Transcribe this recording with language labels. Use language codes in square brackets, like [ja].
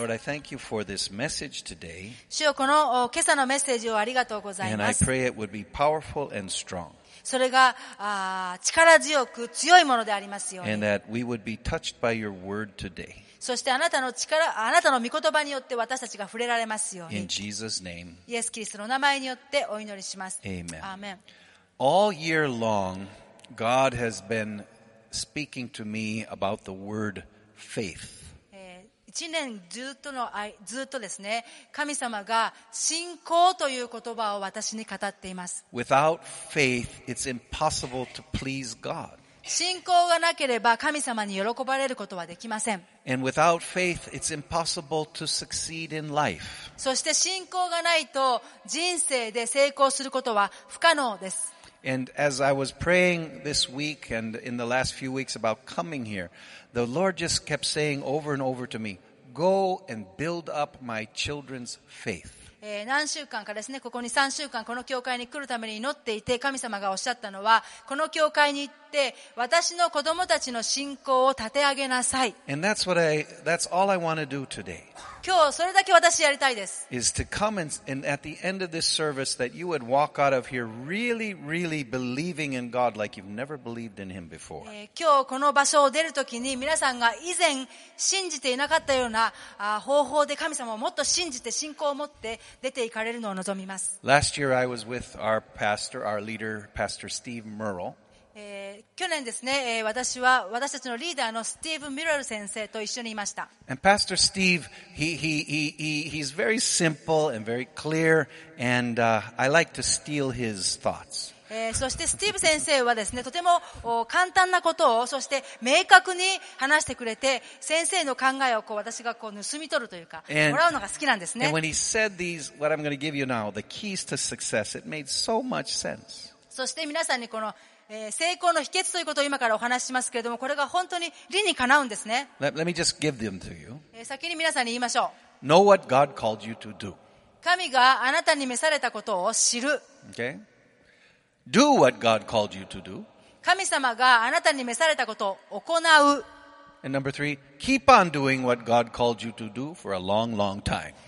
[en] Lord, I thank you for this message today. [ja] 主よ、この今朝のメッセージをありがとうございます。 [en] And I pray it would be powerful and strong. [ja] それが力強く強いものでありますように。 [en] And that we would be touched by your word today. [ja] そしてあなたの御言葉によって私たちが触れられますように。 [en] In Jesus' name. [ja] イエス・キリストの名前によってお祈りします。 [en] Amen. Amen. All year long, God has been speaking to me about the word faith. [ja] 一年ずっとですね、神様が信仰という言葉を私に語っています。 [en] Without faith, it's impossible to please God. [ja] 信仰がなければ神様に喜ばれることはできません。 [en] And without faith, it's impossible to succeed in life. [ja] そして信仰がないと人生で成功することは不可能です。 [en] And as I was praying this week and in the last few weeks about coming here, the Lord just kept saying over and over to me, go and build up my children's faith. [ja] 何週間かですね、ここに3週間この教会に来るために祈っていて、神様がおっしゃったのは、この教会に行って私の子供たちの信仰を立て上げなさい。 [en] And that's all I want to do today. [ja] 今日それだけ私やりたいです。 [en] Is to come and at the end of this service that you would walk out of here really, really believing in God like you've never believed in Him before. [ja] 今日この場所を出るときに皆さんが以前信じていなかったような方法で神様をもっと信じて信仰を持って出て行かれるのを望みます。 [en] Last year I was with our pastor, our leader, Pastor Steve Merle. [ja] 去年ですね、私は私たちのリーダーのスティーブ・ミュラル先生と一緒にいました。 [en] And Pastor Steve, he's very simple and very clear, and I like to steal his thoughts. [ja] そしてスティーブ先生はですね、とても簡単なことを、そして明確に話してくれて、先生の考えをこう私がこう盗み取るというか、もらうのが好きなんですね。 [en] And when he said these, what I'm going to give you now, the keys to success, it made so much sense. [ja] そして皆さんにこの成功の秘訣ということを今からお話ししますけれども、これが本当に理にかなうんですね。 [en] Let me just give them to you. [ja] 先に皆さんに言いましょう。 [en] Know what God called you to do. [ja] 神があなたに召されたことを知る。 [en] Okay. Do what God called you to do. [ja] 神様があなたに召されたことを行う。 [en] And number three, keep on doing what God called you to do for a long, long time.